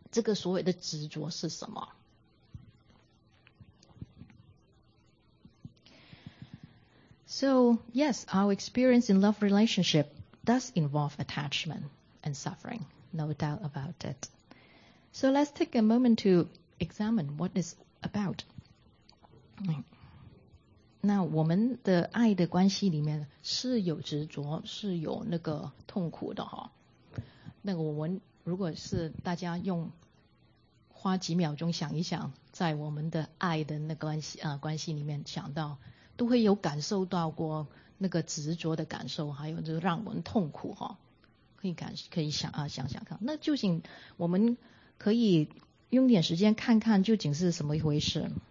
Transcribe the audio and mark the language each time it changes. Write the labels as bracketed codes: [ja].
[zh] 不是这样子，这个是一个误会，误解。那可是这个误解呢，是很让很多人呢对佛法有一个很误会，还有就是很不好的印象。所以我希望今天早上用点时间来探讨一下这个爱的关系里面呢，我的爱情关系里面呢，这个所谓的执着是什么。 [en] So, yes, our experience in love relationship does involve attachment and suffering, no doubt about it. So let's take a moment to examine what it's about. [zh] Now, 我们的爱的关系里面是有执着，是有那个痛苦的。那我们如果是大家用花几秒钟想一想，在我们的爱的那个关系里面想到， 都会有感受到过那个执着的感受，还有就让我们痛苦，可以想想看，那究竟我们可以用点时间看看究竟是什么一回事。